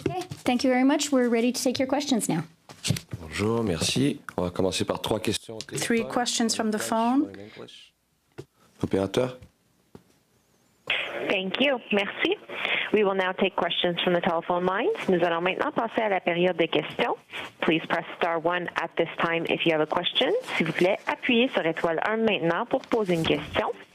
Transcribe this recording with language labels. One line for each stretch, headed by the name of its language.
English: Okay, thank you very much. We're ready to take your questions now.
French: Bonjour, merci. On va commencer par trois questions.
English: Three questions from the phone.
French: Opérateur.
English: Thank you.
French: Merci.
English: We will now take questions from the telephone lines.
French: Nous allons maintenant passer à la période des questions.
English: Please press star 1 at this time if you have a question.
French: S'il vous plaît, appuyez sur étoile 1 maintenant pour poser une question.